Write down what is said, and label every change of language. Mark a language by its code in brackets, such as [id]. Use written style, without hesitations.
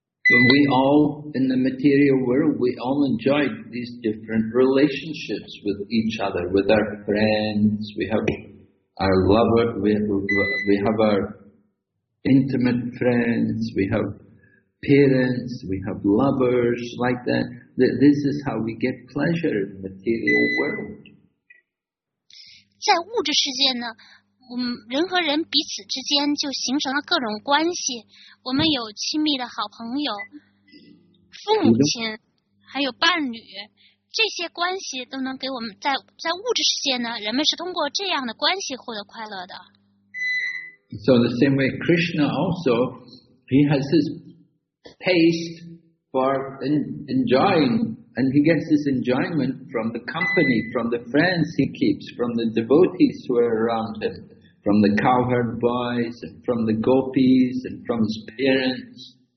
[en] But we all, in the material world, we all enjoy these different relationships with each other, with our friends, we have our lover, we have our intimate friends, we have parents, we have lovers, like that. This is how we get pleasure in the material world. [zh] 在物质世界呢，我们人和人彼此之间就形成了各种关系。我们有亲密的好朋友、父母亲，还有伴侣，这些关系都能给我们在物质世界呢，人们是通过这样的关系获得快乐的。 [en] So the same way Krishna also, he has his taste for enjoying, and he gets his enjoyment from the company, from the friends he keeps, from the devotees who are around him, from the cowherd boys, and from the gopis, and from his parents.